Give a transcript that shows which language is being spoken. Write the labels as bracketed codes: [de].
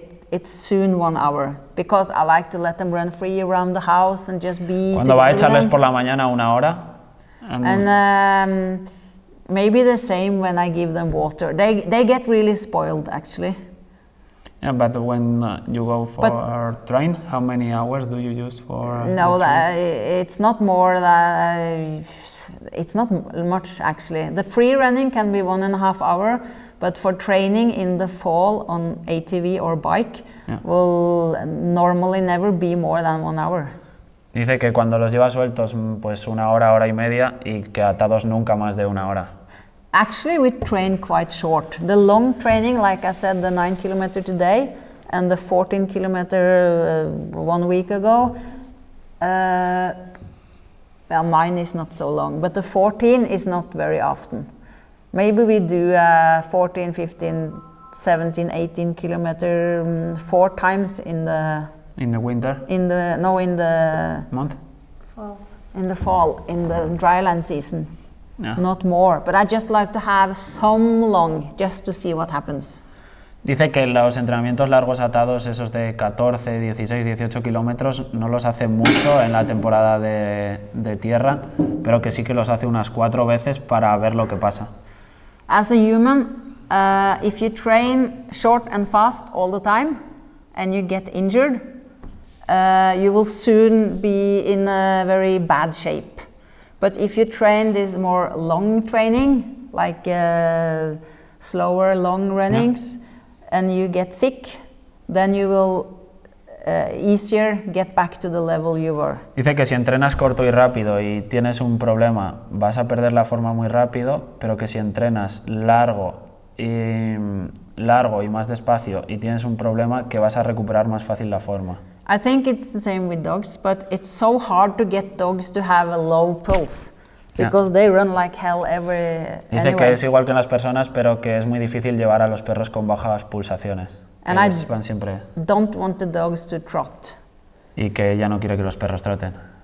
[en] it's soon 1 hour because I like to let them run free around the house and just be. [es] Cuando va a echarles por la mañana una hora. [en] And maybe the same when I give them water. They get really spoiled actually. Yeah, but when you go for a train, how many hours do you use for? No, it's not more than. It's not much actually. The free running can be 1.5 hours, but for training in the fall on ATV or bike will normally never be more than 1 hour. [es] Dice que cuando los lleva sueltos, pues 1 hora, [en] 1.5 hours, [es] y que atados nunca más de [en] 1 hour. Actually, we train quite short. The long training, like I said, the 9 kilometer today and the 14 kilometer 1 week ago. Well, 9 is not so long, but the 14 is not very often. Maybe we do 14, 15, 17, 18 kilometer 4 times in the... In the winter? In the... No, in the... Month? Fall. In the fall, in the dryland season. Yeah. Not more, but I just like to have some long, just to see what happens. [es] Dice que los entrenamientos largos atados, esos de 14, 16, 18 kilómetros, no los hace mucho en la temporada de tierra, pero que sí que los hace unas 4 veces para ver lo que pasa. [en] As a human, if you train short and fast all the time and you get injured, you will soon be in a very bad shape. But if you train this more long training, like slower long runnings, and you get sick, then you will easier get back to the level you were. [es] Dice que si entrenas corto y rápido y tienes un problema, vas a perder la forma muy rápido, pero que si entrenas largo y más despacio y tienes un problema, que vas a recuperar más fácil la forma. [en] I think it's the same with dogs, but it's so hard to get dogs to have a low pulse. Because they run like hell every. [es] Dice que es igual que en las personas, pero que es muy difícil llevar a los perros con bajas pulsaciones. [en] And [es] que van siempre. [en] Don't want the dogs to trot. [es] Y que ella no quiere que los perros troten.